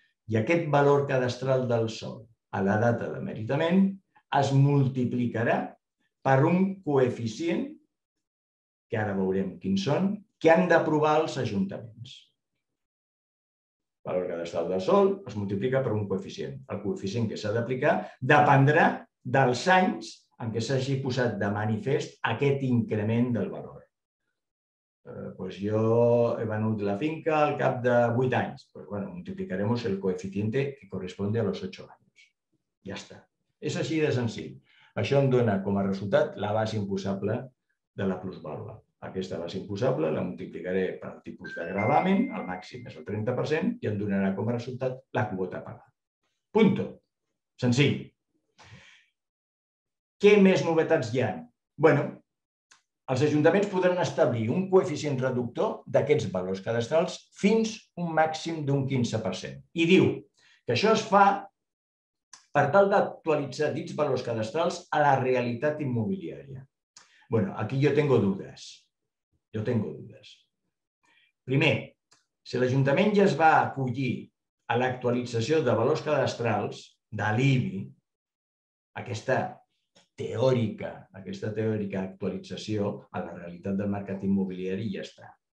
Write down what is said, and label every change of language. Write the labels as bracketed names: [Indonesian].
[Catalan] I aquest valor cadastral del sòl a la data de meritament es multiplicarà per un coeficient, que ara veurem quins són, que han d'aprovar els ajuntaments. El valor cadastral del sòl es multiplica per un coeficient. El coeficient que s'ha d'aplicar dependrà dels anys en què s'hagi posat de manifest aquest increment del valor. Pues jo he venut la finca al cap de 8 anys. [Spanish] Pues bueno, multiplicaremos el coeficiente que corresponde a los 8 años. [Catalan] Ja està. És així de senzill. Això em dona com a resultat la base imposable de la plusvàlua. Aquesta base imposable la multiplicaré per el tipus de gravamen, el màxim és el 30%, i em donarà com a resultat la quota a pagar. Punto. Senzill. Què més novetats hi ha? Bueno, els ajuntaments podran establir un coeficient reductor d'aquests valors cadastrals fins un màxim d'un 15%. I diu que això es fa per tal d'actualitzar dits valors cadastrals a la realitat immobiliària. [Spanish] Bueno, aquí jo tengo dudes. Jo tengo dudes. [Catalan] Primer, si l'Ajuntament ja es va acollir a l'actualització de valors cadastrals de l'IBI, aquesta teòrica actualització a la realitat del mercat immobiliari ja està.